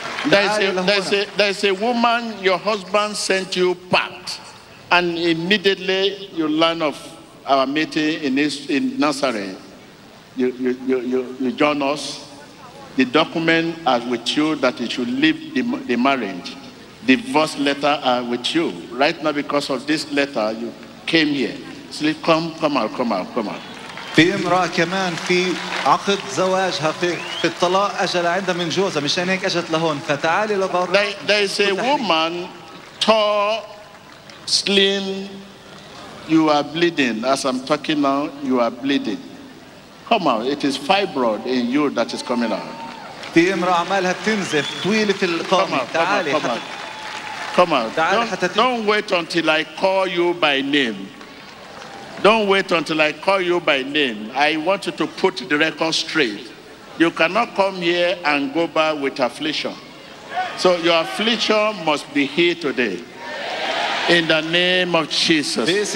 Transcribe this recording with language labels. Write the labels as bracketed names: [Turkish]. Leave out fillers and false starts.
[English] There's a woman, your husband sent you packed, and immediately you learn of our meeting in Nazareth. You join us. The document are with you that you should leave the marriage. Divorce letter are with you. Right now, because of this letter, you came here. So come out. [Arabic] في امرأة كمان في عقد زواجها في الطلاق أجل عندها من جوزها مشان هيك أجت لهون فتعالي لبر. [English] There is a woman, tall, slim. You are bleeding. As I'm talking now, you are bleeding. Come out. It is fibroid in you that is coming out. [Arabic] في امرأة عمالها تنزف طويلة في القامة تعالي. [English] Come out. Don't wait until I call you by name. Don't wait until I call you by name. I want you to put the record straight. You cannot come here and go back with affliction. So your affliction must be here today. In the name of Jesus.